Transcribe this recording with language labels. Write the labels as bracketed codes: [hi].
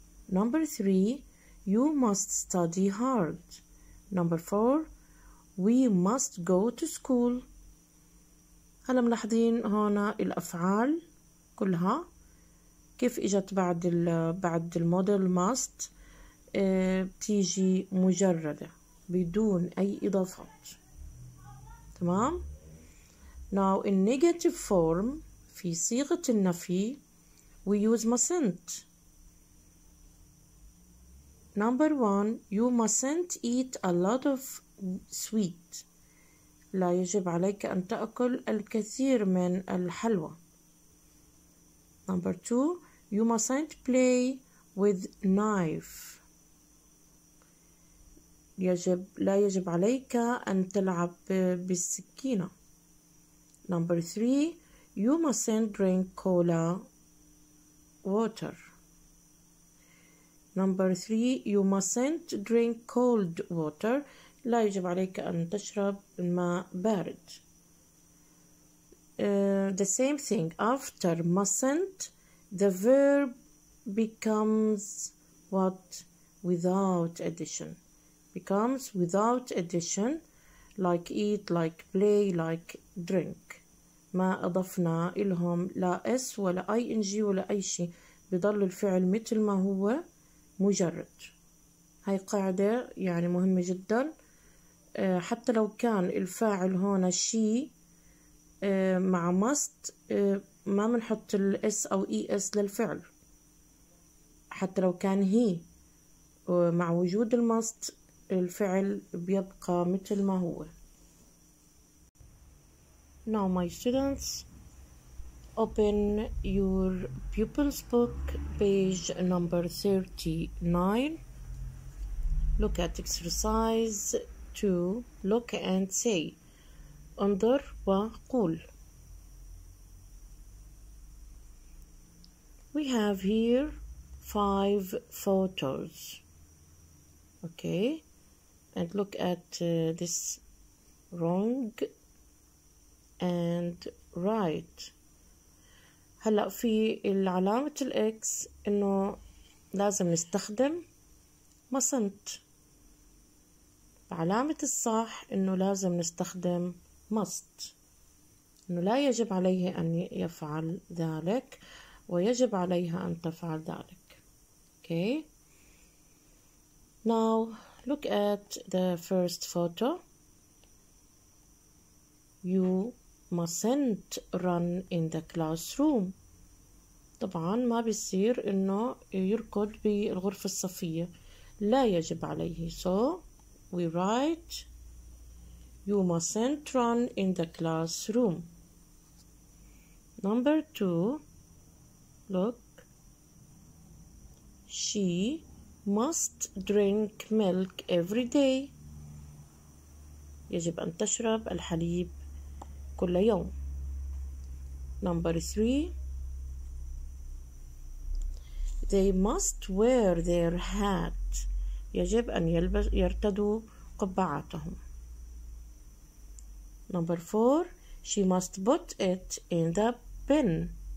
[en] Number three, you must study hard. Number four, we must go to school. [ar] هلا ملاحظين هنا الأفعال كلها كيف إجت بعد الموديل must بتيجي مجردة بدون أي إضافات. تمام؟ [en] Now in negative form [ar] في صيغة النفي [en] we use mustn't. Number one, you mustn't eat a lot of sweet. [ar] لا يجب عليك أن تأكل الكثير من الحلوى. [en] Number two, you mustn't play with knife. [ar] لا يجب عليك أن تلعب بالسكينة. [en] Number three, you mustn't drink cola water. Number three, you mustn't drink cold water. [ar] لا يجب عليك أن تشرب الماء بارد. [en] The same thing, after mustn't, the verb becomes what? Without addition. Becomes without addition, like eat, like play, like drink. [ar] ما أضفنا إلهم لا S ولا ING ولا أي شيء. بيضل الفعل مثل ما هو. مجرد هاي قاعدة يعني مهمة جدا حتى لو كان الفاعل هون شيء مع must ما منحط ال s أو es للفعل حتى لو كان هي مع وجود المست الفعل بيبقى مثل ما هو. [en] Now my students open your pupil's book, page number 39. Look at exercise 2. Look and say. [ar] انظر وقول. [en] We have here 5 photos. Okay. And look at this wrong and right. [ar] هلأ في العلامة الإكس إنه لازم نستخدم mustn't. علامة الصح إنه لازم نستخدم must. إنه لا يجب عليه أن يفعل ذلك ويجب عليها أن تفعل ذلك. [en] Okay. Now look at the first photo. You mustn't run in the classroom. [ar] طبعا ما بيصير انه يركض بالغرفة الصفية، لا يجب عليه. [en] So we write you mustn't run in the classroom. Number two, look, she must drink milk every day. [ar] يجب أن تشرب الحليب كل يوم. [en] Number three, they must wear their hat. [ar] يجب أن يرتدوا قبعاتهم. [en] Number four, she must put it in the bin.